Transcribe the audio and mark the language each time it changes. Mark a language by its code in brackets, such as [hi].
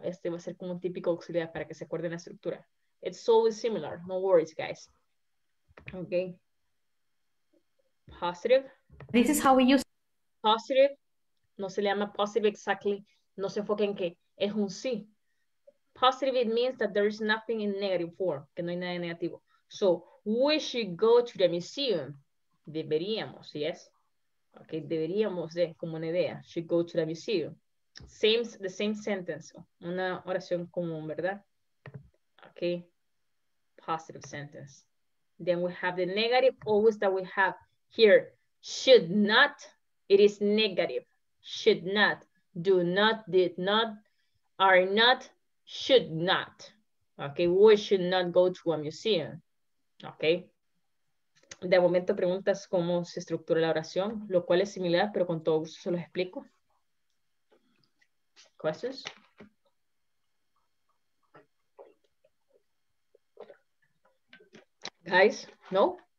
[es] Este va a ser como un típico auxiliar para que se acuerde la estructura. [en] It's always similar. No worries, guys. Okay. Positive. This is how we use positive. [es] No se le llama [en] positive exactly. [es] No se enfoque en que es un sí. [en] Positive, it means that there is nothing in negative form. [es] Que no hay nada negativo. [en] So, we should go to the museum. [es] Deberíamos, [en] yes. Okay, [es] deberíamos de, como una idea, [en] should go to the museum. Same, the same sentence, [es] una oración común, ¿verdad? [en] Okay, positive sentence. Then we have the negative, always that we have here, should not, it is negative, should not, do not, did not, are not, should not. Okay, we should not go to a museum, okay? [es] De momento preguntas cómo se estructura la oración, lo cual es similar, pero con todo gusto se los explico. [en] Questions? Guys, no?